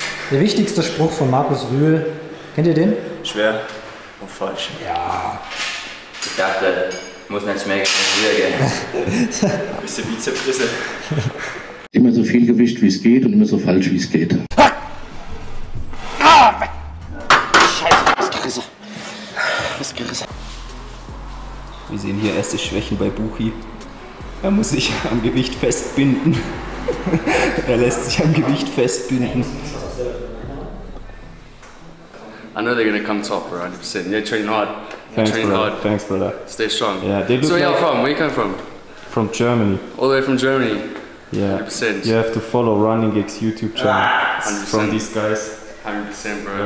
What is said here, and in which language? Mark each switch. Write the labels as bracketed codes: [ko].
[de] Der wichtigste Spruch von Markus Rühl, kennt ihr den? Schwer und falsch. Ja. Ich dachte, muss nicht schmecken, muss wieder gehen. Ein bisschen Bizeprisse. Immer so viel Gewicht, wie es geht und immer so falsch, wie es geht. Ha! Ah, Scheiße, was gerissen. Wir sehen hier erste Schwächen bei Buchi. Er muss sich am Gewicht festbinden. Er lässt sich am Gewicht festbinden. [en] I know they're gonna come top, right? You're sitting. They're training hard. Thanks, brother. Thanks, brother. Stay strong. Yeah, they look. So, where are you from? Where you come from? From Germany. All the way from Germany. Yeah. 100%. You have to follow Running Geeks YouTube channel. 100%. From these guys. 100%, bro.